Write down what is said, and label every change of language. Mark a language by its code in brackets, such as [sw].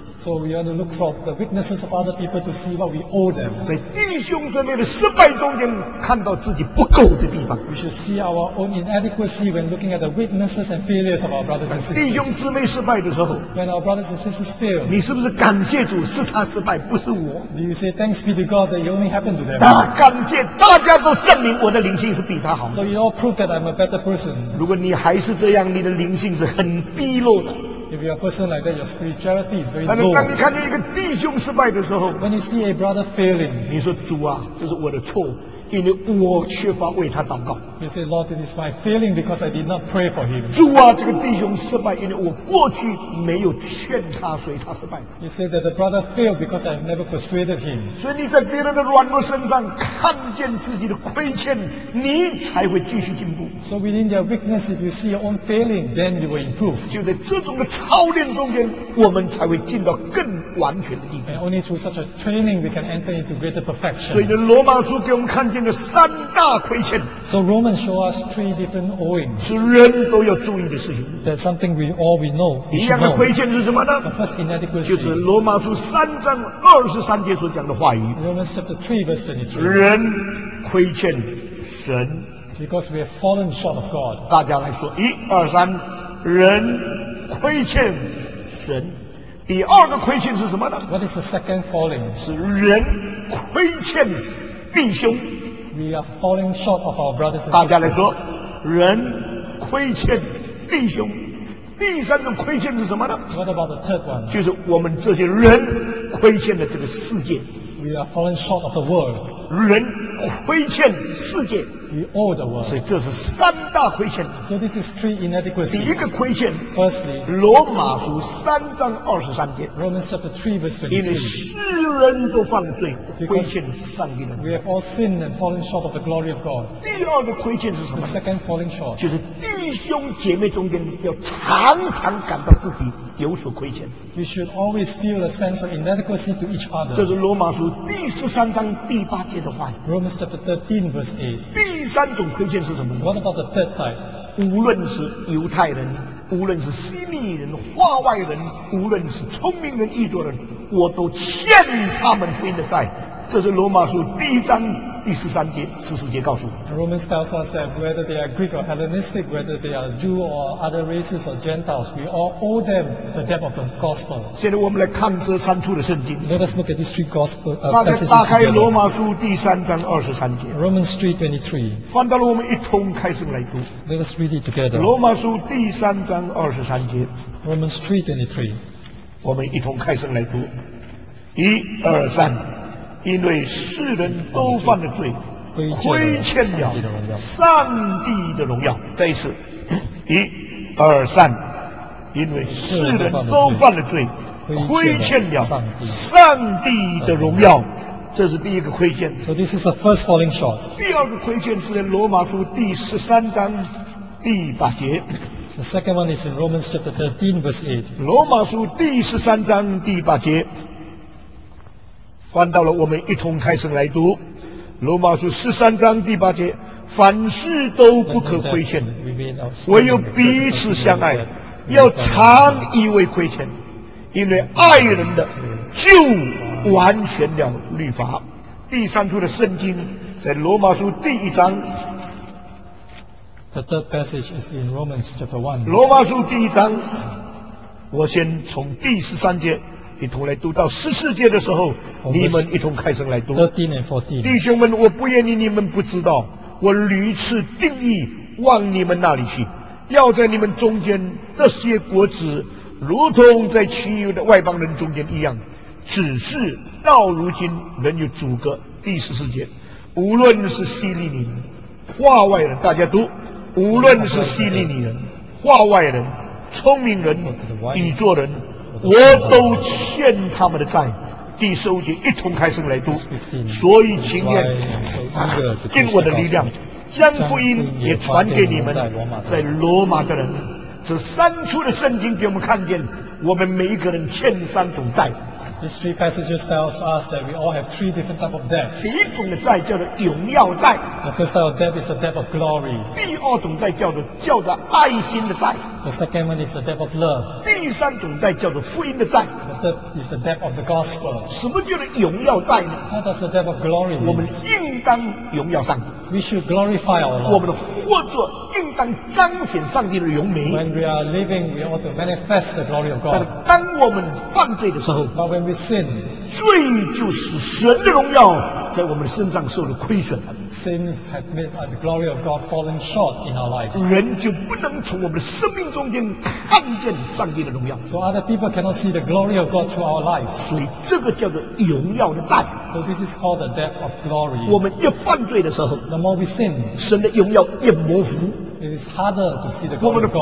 [en] So we want to look for the witnesses of other people to see what we owe them. [zh] 在弟兄姊妹的失败中间，看到自己不够的地方。 [en] We should see our own inadequacy when looking at the weaknesses and failures of our brothers and sisters. [zh] 弟兄姊妹失败的时候 [en] ，When our brothers and sisters fail, [zh] 你是不是感谢主是他失败，不是我 [en] ？Do you say thanks be to God that it only happened to them? [zh] 大感谢大家都证明我的灵性是比他好。 [en] So you all prove that I'm a better person. [zh] 如果你还是这样，你的灵性是很低落的。 [en] If you're a person like that, your spirituality is very low. [zh] 当你看见一个弟兄失败的时候 [en] ，When you see a brother failing, [zh] 你说主啊，这是我的错，因为我缺乏为他祷告。 [en] You say, Lord, it is my failing because I did not pray for him. [zh] 主啊，这个弟兄失败，因为我过去没有劝他，所以他失败。 [en] You say that the brother failed because I have never persuaded him. [zh] 所以你在别人的软弱身上看见自己的亏欠，你才会继续进步。 [en] So within their weakness, if you see your own failing, then you will improve. [zh] 就在这种的操练中间，我们才会进到更完全的地步。 [en] And only through such a training, we can enter into greater perfection. [zh] 所以罗马书给我们看见了三大亏欠。 [en] So Roman show us three different owing. [zh] 是人都要注意的事情。 [en] That's something we know. [zh] 第一样的亏欠是什么呢 [en] ？The first inadequacy. [zh] 就是罗马书三章二十三节所讲的话语。 [en] Romans chapter 3 verse 23. [zh] 人亏欠神。 [en] Because we have fallen short of God. [zh] 大家来说，一二三，人亏欠神。第二个亏欠是什么呢 [en] ？What is the second falling? [zh] 是人亏欠弟兄。 [en] We are falling short of our brothers and sisters. [zh] 大家来说，人亏欠弟兄。第三种亏欠是什么呢 [en] ？What about the third one? [zh] 就是我们这些人亏欠了这个世界。 [en] We are falling short of the world. [zh] 人亏欠世界。 [en] We owe the world. [zh] 所以这是三大亏欠。 [en] So this is three inadequacies. [zh] 第一个亏欠 [en] ，Firstly, [zh] 罗马书三章二十三节 [en] ，Romans chapter 3 verse 23. [zh] 因为世人都犯了罪，亏欠上帝的。 [en] We have all sinned and fallen short of the glory of God. [zh] 第二个亏欠是什么 [en] ？The second falling short. [zh] 就是弟兄姐妹中间要常常感到自己有所亏欠。 [en] We should always feel a sense of inadequacy to each other. [zh] 这是罗马书第十三章第八节的话语。 [en] Romans chapter 13 verse 8. [zh] 第三种亏欠是什么呢 [en] ？What about the third type? [zh] 无论是犹太人，无论是希利人、化外人，无论是聪明人、愚拙人，我都欠他们福音的债。这是罗马书第一章。第十三节、十四节告诉我们 [en] ，Romans tells us that whether they are Greek or Hellenistic, whether they are Jew or other races or Gentiles, we all owe them the debt of the gospel. [zh] 现在我们来看这三处的圣经。 [en] Let us look at these three gospel. [zh] 打开罗马书第三章二十三节。 [en] Romans 3:23. [zh] 翻到了我们一同开始来读。 [en] Let us read it together. [zh] 罗马书第三章二十三节。 [en] Romans 3:23. [zh] 我们一同开始来读。一二三。因为世人都犯了罪，亏欠了上帝的荣耀。再一次，一、二、三，因为世人都犯了罪，亏欠了上帝的荣耀。这是第一个亏欠。 [en] So this is the first falling short. [zh] 第二个亏欠是在罗马书第十三章第八节。 [en] The second one is in Romans chapter 13 verse 8. [zh] 罗马书第十三章第八节。翻到了我们一同开声来读罗马书十三章第八节凡事都不可亏欠唯有彼此相爱要常以为亏欠因为爱人的就完全了律法第三处的圣经在罗马书第一章 [en] The third passage is in Romans chapter 1 [zh] 罗马书第一章我先从第十三节一同来读到十四节的时候你们一同开声来读弟兄们我不愿意你们不知道我屡次定义往你们那里去要在你们中间这些国子如同在其余的外邦人中间一样只是到如今仍有阻隔第十四节无论是希利尼人化外人大家读无论是希利尼人化外人聪明人愚拙人我都欠他们的债第十五节一同开声来读所以情愿尽我的力量将福音也传给你们在罗马的人这三处的圣经给我们看见我们每一个人欠三种债 [en] These three passages tells us that we all have three different type of debts [zh] 第一种的债叫做荣耀债 [en] The first type of debt is the debt of glory [zh] 第二种债叫做爱心的债 [en] The second one is the debt of love. [zh] 第三种债叫做福音的债。 [en] The third is the debt of the gospel. [zh] 什么叫做荣耀债呢？ [en] What does the debt of glory mean? [zh] 我们应当荣耀上帝。 [en] We should glorify our Lord. [zh] 我们的活着应当彰显上帝的荣美。 [en] When we are living, we ought to manifest the glory of God. [zh] 但当我们犯罪的时候， [en] But when we sin, [zh] 罪就使神的荣耀在我们身上受了亏损。 [en] Sin has made the glory of God falling short in our lives. [zh] 人就不能从我们的生命中间看见上帝的荣耀。 [en] So other people cannot see the glory of God through our lives. [zh] 所以这个叫做荣耀的债。 [en] So this is called the debt of glory. [zh] 我们越犯罪的时候， [en] the more we sin, [zh] 神的荣耀越模糊。 [en] It is harder to see the glory of God.